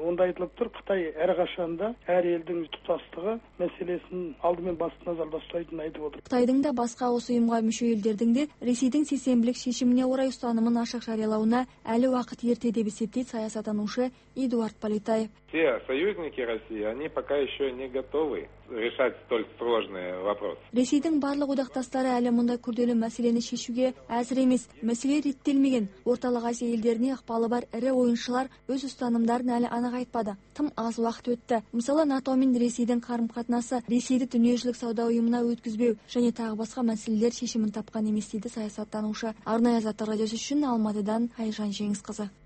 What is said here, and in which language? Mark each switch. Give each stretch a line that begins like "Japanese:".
Kazakh: Онда айтылып тұр, Қытай әрқашан да әр елдің тұтастығы мәселесін алдымен басты назарда ұстайтынын айтып отыр. Қытайдың да басқа осы ұйымға мүше елдердің де Ресейдің сенімділік шешіміне орай ұстанымын ашық жариялауына әлі уақыт ерте деп есептейді саясаттанушы Эдуард Политаев.
Russian: Все союзники России, они пока еще не готовы решать столь сложные вопросы.
Kazakh: Ресейдің барлық одақтастары әлі мұндай күрделі мәселені шешуге әзір емес. Мәселе реттелмеген. Орталық Азия елдеріне ықпалы бар ірі ойыншылар өз ұстанымдарын әлі анық айтпады. Тым аз уақыт өтті. Мысалы, НАТО мен Ресейдің қарым-қатынасы, Ресейді дүниежүзілік сауда ұйымына өткізбеу және тағы басқа мәселелер шешімін тапқан емес, дейді саясаттанушы. Арнайы Азаттық радиосы үшін Алматыдан Айжан Жеңісқызы.